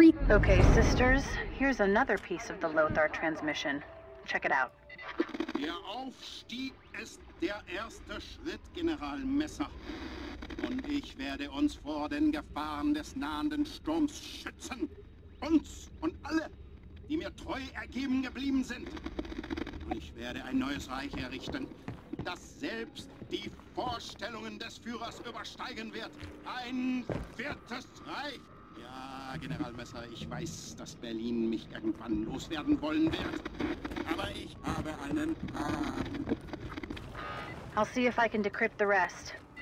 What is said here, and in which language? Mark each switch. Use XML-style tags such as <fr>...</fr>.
<en>Okay, sisters, here's another piece of the Lothar transmission. Check it out.</en> <de>Der Aufstieg ist der erste Schritt, General Messer. Und ich werde uns vor den Gefahren des nahenden Sturms schützen. Uns und alle, die mir treu ergeben geblieben sind. Und ich werde ein neues Reich errichten, das selbst die Vorstellungen des Führers übersteigen wird. Ein viertes Reich. Ja, General Messer, ich weiß, dass Berlin mich irgendwann loswerden wollen wird. Aber ich habe einen Plan.</de> <en>I'll see if I can decrypt the rest.</en>